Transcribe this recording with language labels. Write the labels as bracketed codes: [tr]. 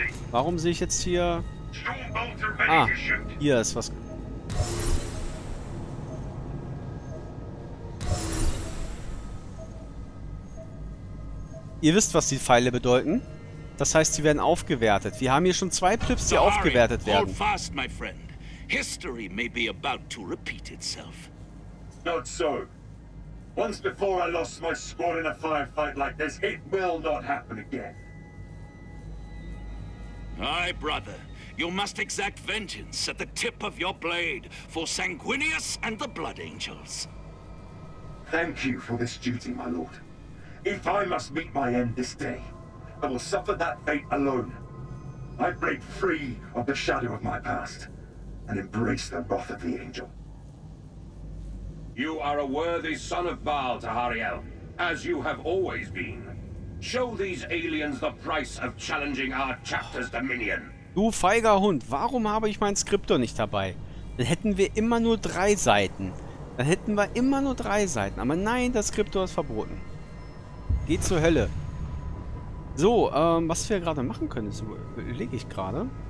[de] Warum sehe ich jetzt hier... Ah, hier ist was... Ihr wisst, was die Pfeile bedeuten. Das heißt, sie werden aufgewertet. Wir haben hier schon zwei Plips, die aufgewertet werden. [en] Hold fast, my friend. History may be about to repeat itself. Not so. Once before I lost my squad in a firefight like this, it will not happen again. My brother, you must exact vengeance at the tip of your blade for Sanguinius and the Blood Angels. Thank you for this duty, my lord. If I must meet my end this day, I will suffer that fate alone. I break free of the shadow of my past and embrace the wrath of the angel. You are a worthy son of Baal, Tahariel, as you have always been. Show these aliens the price of challenging our chapter's dominion. [de] Du feiger Hund, warum habe ich meinen Skriptor nicht dabei? Dann hätten wir immer nur drei Seiten. Aber nein, der Skriptor ist verboten. Geh zur Hölle. So, was wir gerade machen können, das überlege ich gerade.